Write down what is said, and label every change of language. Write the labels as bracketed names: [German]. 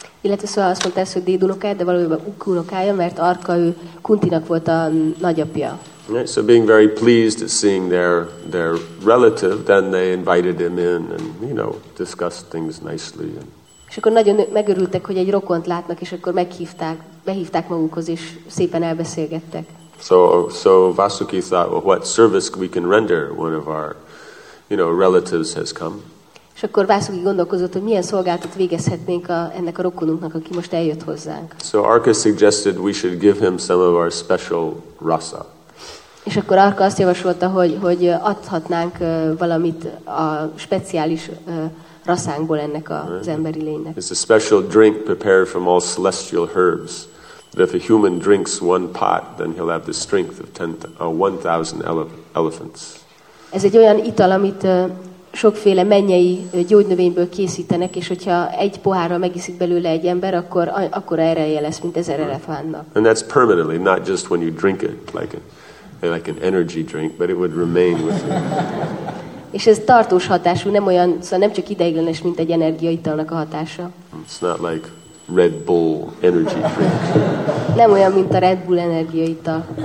[Hungarian] Illetve szóval azt mondta, hogy dédunokája, de valójában ők unokája, mert Arka ő Kuntinak volt a nagyapja. [English] Right, so being very pleased at seeing their relative, then they invited him in and, you know, discussed things nicely. [Hungarian] És akkor nagyon megörültek, hogy egy rokont látnak, és akkor behívták magukhoz, és szépen elbeszélgettek. [English] So Vasuki thought, well, what service we can render one of our, you know, relatives has come. [Hungarian] És akkor Vászuki gondolkozott, hogy milyen szolgálatot végezhetnénk ennek a rokonunknak, aki most eljött hozzánk. [English] So Arka suggested we should give him some of our special rasa. [Hungarian] És akkor Arka azt javasolta, hogy adhatnánk valamit a speciális rasánkból ennek az emberi lénynek. [English] It's a special drink prepared from all celestial herbs. That if a human drinks one pot, then he'll have the strength of 1,000 elephants. [Hungarian] Ez egy olyan ital, amit sokféle mennyei gyógynövényből készítenek, és hogyha egy pohárra megiszik belőle egy ember, akkor ereje lesz, mint 1,000 elefántnak. [English] And that's permanently, not just when you drink it, like an energy drink, but it would remain with you. [Hungarian] És ez tartós hatású, nem olyan, szóval nem csak ideiglenes, mint egy energiaitalnak a hatása. [English] It's not like Red Bull energy drink. [Hungarian] Nem olyan, mint a Red Bull energiaital.